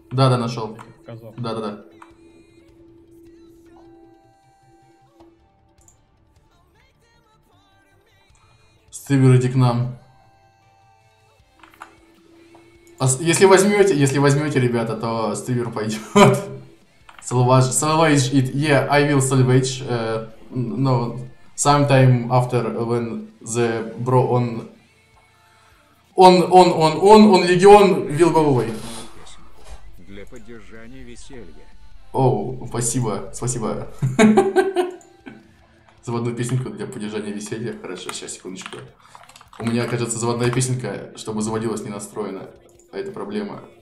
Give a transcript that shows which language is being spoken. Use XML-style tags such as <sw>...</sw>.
<ru>Да, нашел. Да. Стример, иди к нам. А если возьмете, ребята, то стример пойдет.</ru> <en>Salvage it, yeah, I will salvage, no, sometime after when the bro on Legion will go away.</en> <ru>Для поддержания веселья. Оу, спасибо. Заводную песенку для поддержания веселья, хорошо, сейчас, секундочку. У меня, кажется, заводная песенка, чтобы заводилась, не настроена, а это проблема.</ru>